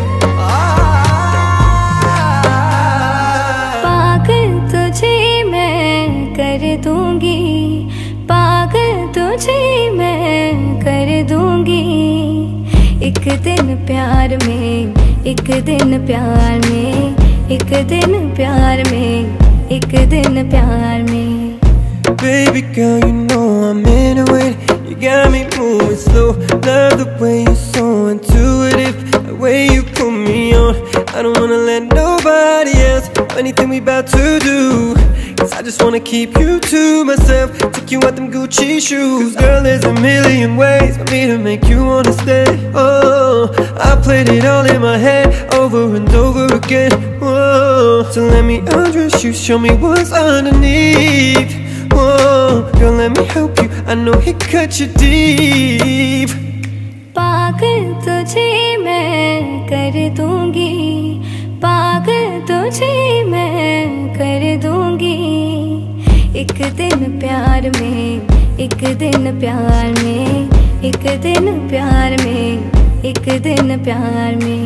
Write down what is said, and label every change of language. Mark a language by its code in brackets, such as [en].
[hi] पागल तुझे मैं कर दूंगी, पागल तुझे मैं कर दूंगी, एक दिन प्यार में, एक दिन प्यार में, एक दिन प्यार में, एक दिन प्यार में। [en] Baby girl, you know I'm into it. You got me moving slow. Love the way you're so intuitive. The way you put me on. I don't wanna let nobody else know anything we about to do. Cause I just wanna keep you to myself. Take you out them Gucci shoes. Girl, there's a million ways for me to make you wanna stay. Oh, I played it all in my head over and over again. Whoa. So let me undress you, show me what's underneath. Whoa. Girl, let me help you, I know it cuts you deep. [hi] पागल तुझे मैं कर दूंगी, पागल तुझे मैं कर दूंगी, एक दिन प्यार में, एक दिन प्यार में, एक दिन प्यार में, एक दिन प्यार में।